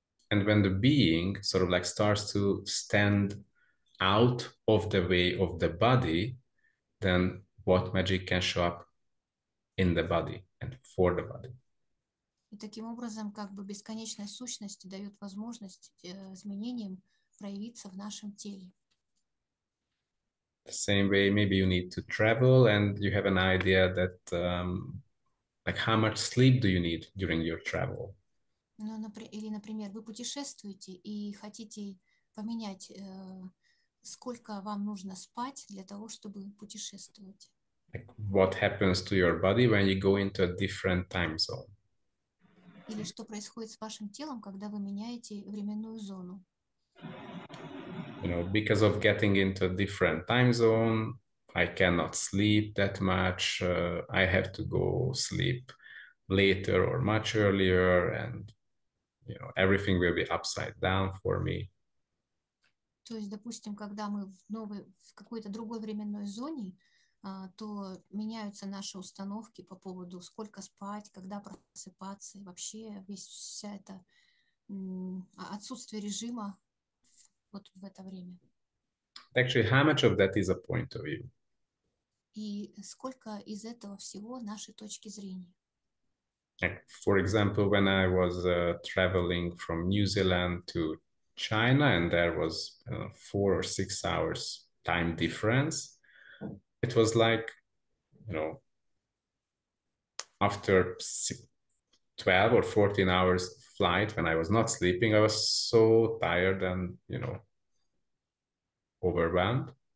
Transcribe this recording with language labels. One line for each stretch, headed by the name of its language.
English: And when the being sort of like starts to stand out of the way of the body, then what magic can show up in the body and for the body?
Russian: И таким образом, как бы бесконечная сущность дает возможность изменениям проявиться в нашем теле.
English: The same way, maybe you need to travel and you have an idea that, like how much sleep do you need during your travel?
Russian: Ну, или, например, вы путешествуете и хотите поменять, сколько вам нужно спать для того, чтобы путешествовать.
English: What happens to your body when you go into a different time zone?
Russian: Или что происходит с вашим телом, когда вы меняете временную зону?
English: Know, because of getting into a different time zone, I cannot sleep that much. I have to go sleep later or much earlier, and you know, everything will be upside down for me.
Russian: То есть, допустим, когда мы в какой-то другой временной зоне, то меняются наши установки по поводу сколько спать, когда просыпаться, и вообще вся это отсутствие режима вот в это время.
English: Actually, how much of that is a point of view?
Russian: И сколько из этого всего наши точки зрения?
English: Like, for example, when I was traveling from New Zealand to China and there was 4 or 6 hours time difference, it was like, you know, after 12 or 14 hours flight, when I was not sleeping, I was so tired and, you know, overwhelmed.